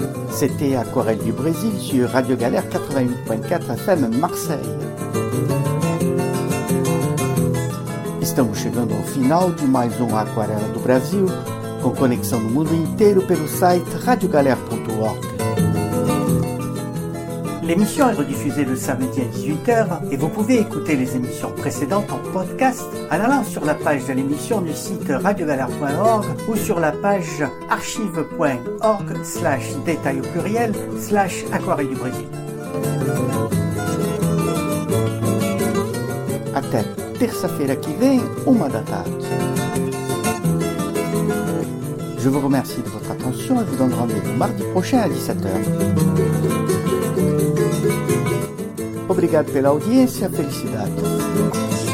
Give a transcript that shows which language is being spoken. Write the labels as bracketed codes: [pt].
[fr] C'était Aquarelle du Brésil sur Radio Galère 88.4 FM Marseille. [pt] Estamos chegando ao final de mais Aquarela do Brasil, com conexão no mundo inteiro pelo site radiogalère.org. [fr] L'émission est rediffusée le samedi à 18h et vous pouvez écouter les émissions précédentes en podcast en allant sur la page de l'émission du site radiogalère.org ou sur la page archive.org/détail au pluriel/aquarelle du Brésil. [pt] Até terça-feira que vem, uma da tarde. [fr] Je vous remercie de votre attention et vous donne rendez-vous mardi prochain à 17h. [pt] Obrigado pela audiência. Felicidades.